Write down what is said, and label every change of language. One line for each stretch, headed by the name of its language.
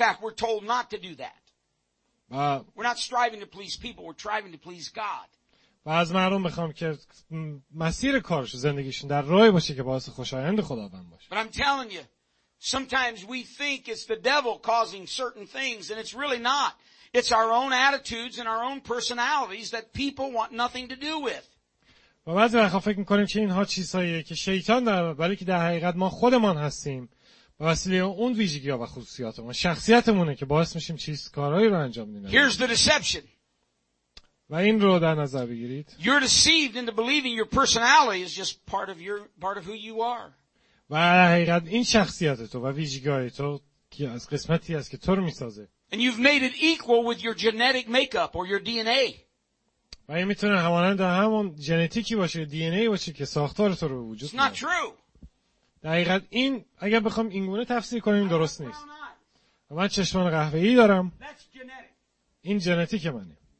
English: We're not striving to please people, we're striving to please God.
Persian: و از مردم میخوام که مسیر کارش زندگیشون در راهی باشه که باعث خوشایند خداوند باشه.
English: But I'm telling you, sometimes we think it's the devil causing certain things and it's really not. It's our own attitudes and our own personalities that people want nothing to do with.
Persian: و بعضی وقتا فکر میکنیم که اینها چیزاییه که شیطان داره ولی که در حقیقت ما خودمان هستیم. وسیله اون ویژگی ها و خصوصیات ما شخصیتمونه که باعث میشیم چیز کارهایی رو انجام بدیم.
English: Here's the deception.
Persian: و این رو در نظر بگیرید.
English: You're deceived into believing your personality is just part of who you are.
Persian: و در حقیقت این شخصیت تو و ویژگی‌های تو که از قسمتی است که تو رو می‌سازه.
English: And you've made it equal with your genetic makeup or your DNA.
Persian: و این میتونه همانند همون ژنتیکی باشه یا DNA باشه که ساختار تو رو به وجود میاره.
English: It's not true.
Persian: دقیقاً این اگر بخوام اینگونه تفسیر کنیم درست نیست. من چشمان قهوه‌ای دارم. این ژنتیک منه.